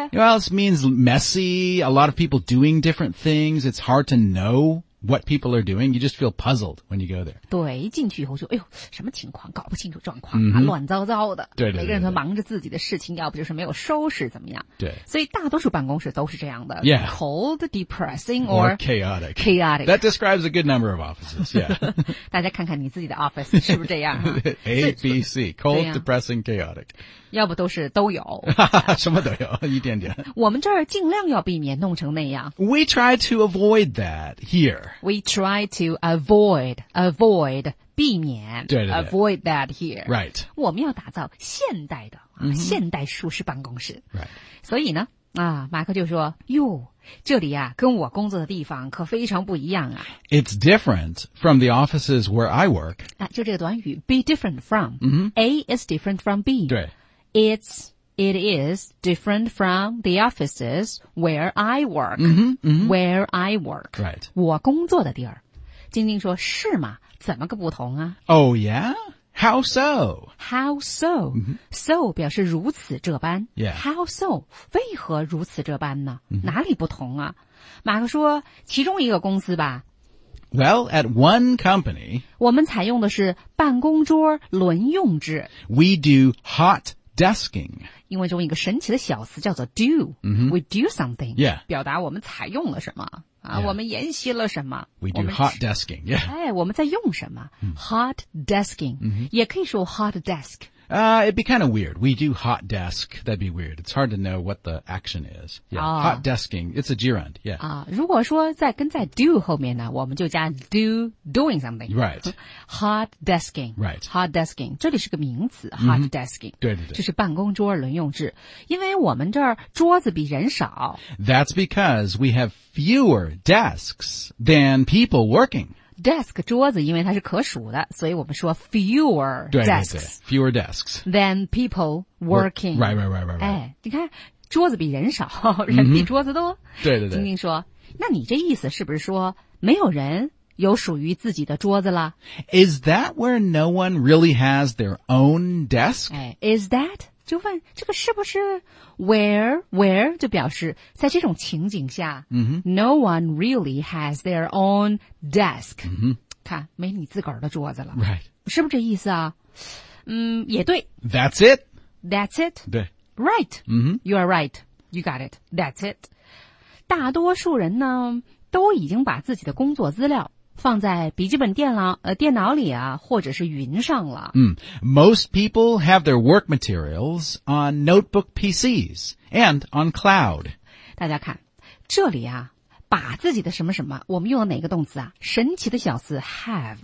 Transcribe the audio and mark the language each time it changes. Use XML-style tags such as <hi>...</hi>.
<en>?Well, it means messy, a lot of people doing different things, it's hard to know. What people are doing, you just feel puzzled when you go there.</en> <zh>对，一进去以后就，哎呦，什么情况？搞不清楚状况、mm-hmm. 啊、乱糟糟的。对 对, 对, 对，每个人都忙着自己的事情，要不就是没有收拾，怎么样？对，所以大多数办公室都是这样的。</zh> <en>Yeah, cold, depressing, or chaotic. Chaotic. That describes a good number of offices. Yeah.</en> <zh>大家看看你自己的 office 是不是这样、</zh> <en>啊、？A, B, C, cold, depressing, chaotic.</en> <zh>要不都是都有，什么都有，一点点。我们这儿尽量要避免弄成那样。</zh> <en>We try to avoid that here. We try to avoid,</en> <zh>避免对对对</zh> <en>avoid that here. Right.</en> <zh>我们要打造现代的、啊 mm-hmm. 现代舒适办公室。</zh> <en>Right.</en> <zh>所以呢啊马克就说哟这里啊跟我工作的地方可非常不一样啊。</zh> <en>It's different from the offices where I work.、</en> <zh>啊、就这个短语</zh> <en>be different from.、 Mm-hmm. A is different from B.</en> <zh>对。</zh> <en>It is different from the offices where I work. Mm-hmm, mm-hmm. Where I work. Right.</en> <zh>我工作的地儿。晶晶说是吗怎么个不同啊</zh> <en>Oh yeah? How so? How so?、Mm-hmm. So</en> <zh>表示如此这般。</zh> <en>Yeah. How so?</en> <zh>为何如此这般呢、</zh> <en>mm-hmm.</en> <zh>哪里不同啊马克说其中一个公司吧。</zh> <en>Well, at one company,</en> <zh>我们采用的是办公桌轮用制。</zh> <en>We do hot desking.</en> <zh>因为中一个神奇的小词叫做 do.、</zh> <en>Mm-hmm. We do something. Yeah.</en> <zh>表达我们采用了什么、啊 yeah. 我们研习了什么。</zh> <en>We do hot desking. Yeah.</en> <zh>哎我们在用什么、</zh> <en>mm-hmm. Hot desking.、 Mm-hmm.</en> <zh>也可以说 hot desk.、</zh> <en>It'd be kind of weird. We do hot desk. That'd be weird. It's hard to know what the action is. Yeah.、 Oh. Hot desking. It's a gerund. Yeah.、</en> <zh>如果说在跟在 do 后面呢我们就加</zh> <en>do doing something. Right. Hot desking. Right.</en> <zh>Hot desking. 这里是个名词 hot desking.、 Mm-hmm. 对对对。就是办公桌轮用制。因为我们这儿桌子比人少。</zh> <en>That's because we have fewer desks than people working.</en> <zh>Desk, 桌子因为它是可数的所以我们说</zh> <en>fewer desks.</en> <zh>对对对</zh> <en>fewer desks. Than people working. Right.</en> <zh>哎你看桌子比人少人比桌子多。</zh> <en>Mm-hmm.</en> <zh>对对对。晶晶说那你这意思是不是说没有人有属于自己的桌子了</zh> <en>Is that where no one really has their own desk?</en> <zh>哎</zh> <en>is that?</en> <zh>就问这个是不是 where 就表示在这种情景下、</zh> <en>mm-hmm. No one really has their own desk、 mm-hmm.</en> <zh>看没你自个儿的桌子了、</zh> <en>right.</en> <zh>是不是这意思啊嗯，也对</zh> <en>That's it</en> <zh>对</zh> <en>Right、 mm-hmm. You are right You got it That's it</en> <zh>大多数人呢都已经把自己的工作资料放在笔记本电脑里啊或者是云上了。</zh> <en>Mm. Most people have their work materials on notebook PCs and on cloud.</en> <zh>大家看这里啊把自己的什么什么我们用了哪个动词啊神奇的小词 have.、</zh>